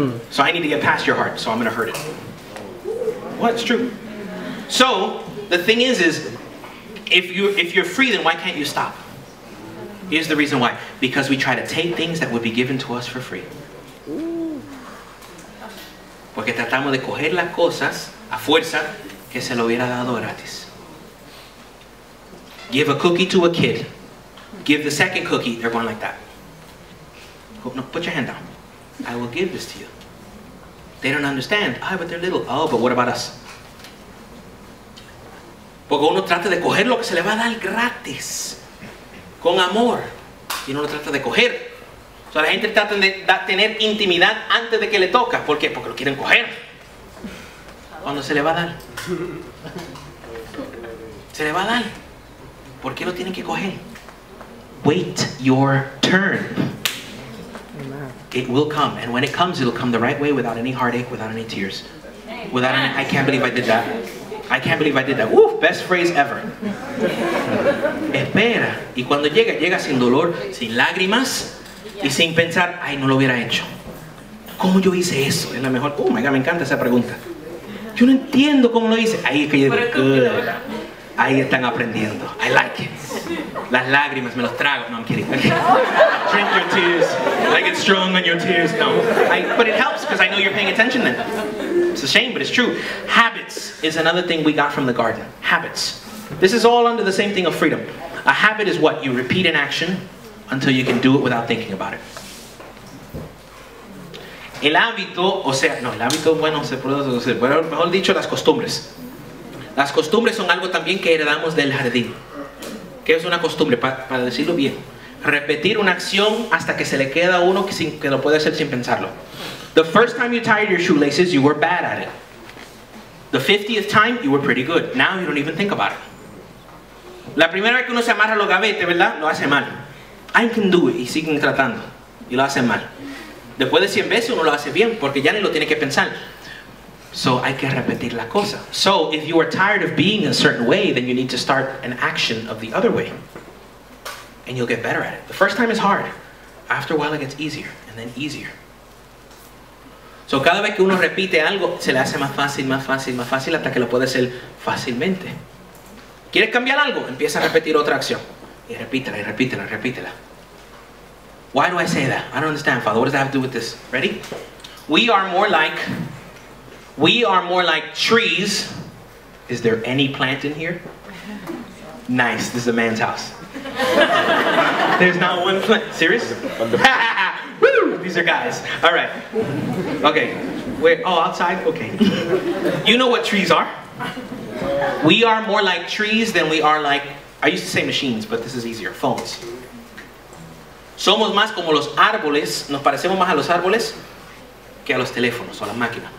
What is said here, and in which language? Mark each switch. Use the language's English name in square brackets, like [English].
[English] So I need to get past your heart, so I'm going to hurt it. Well, it's true. So, the thing is if you're free, then why can't you stop? Here's the reason why. Because we try to take things that would be given to us for free. [Spanish] Porque tratamos de coger las cosas a fuerza que se lo hubiera dado gratis. [English] Give a cookie to a kid. Give the second cookie. They're going like that. No, put your hand down. I will give this to you. They don't understand. Ay, but they're little. Oh, but what about us? [Spanish] Porque uno trata de coger lo que se le va a dar gratis. Con amor. Y uno lo trata de coger. O sea, la gente trata de tener intimidad antes de que le toca. ¿Por qué? Porque lo quieren coger. Cuando se le va a dar. Se le va a dar. ¿Por qué lo tienen que coger? [English] Wait your turn. It will come. And when it comes, it'll come the right way without any heartache, without any tears. Without any, I can't believe I did that. I can't believe I did that. Woof, best phrase ever. [Spanish] Espera. Y cuando llega, llega sin dolor, sin lágrimas, y sin pensar, ay, no lo hubiera hecho. ¿Cómo yo hice eso? Es la mejor. [English] Oh, my God, [Spanish] me encanta esa pregunta. Yo no entiendo cómo lo hice. Ahí es que yo digo, good. Ahí están aprendiendo. [English] I like it. [Spanish] Las lágrimas, me los trago. [English] No, I'm kidding. Drink your tears. I get strong on your tears. No. But it helps because I know you're paying attention then. It's a shame, but it's true. Habits is another thing we got from the garden. Habits. This is all under the same thing of freedom. A habit is what? You repeat an action until you can do it without thinking about it. [Spanish] El hábito, o sea, no, el hábito bueno se puede decir, bueno, mejor dicho, las costumbres. Las costumbres son algo también que heredamos del jardín. ¿Qué es una costumbre? Para decirlo bien. Repetir una acción hasta que se le queda uno que lo puede hacer sin pensarlo. [English] The first time you tied your shoelaces, you were bad at it. The 50th time, you were pretty good. Now you don't even think about it. [Spanish] La primera vez que uno se amarra los gavetes, ¿verdad? Lo hace mal. [English] I can do it. [Spanish] Y siguen tratando. Y lo hacen mal. Después de 100 veces, uno lo hace bien, porque ya ni lo tiene que pensar. So hay que repetir la cosa. [English] So if you are tired of being a certain way, then you need to start an action of the other way. And you'll get better at it. The first time is hard. After a while, it gets easier. And then easier. [Spanish] So cada vez que uno repite algo, se le hace más fácil, más fácil, más fácil, hasta que lo puede hacer fácilmente. ¿Quieres cambiar algo? Empieza a repetir otra acción. Y repítela, y repítela, y repítela. [English] Why do I say that? I don't understand, Father. What does that have to do with this? Ready? We are more like trees. Is there any plant in here? Nice, this is a man's house. There's not one plan. Serious? Woo! These are guys. All right. Okay. Wait. Oh, outside? Okay. You know what trees are? We are more like trees than we are like, I used to say machines, but this is easier, phones. [Spanish] Somos más como los árboles, nos parecemos más a los árboles que a los teléfonos o a las máquinas.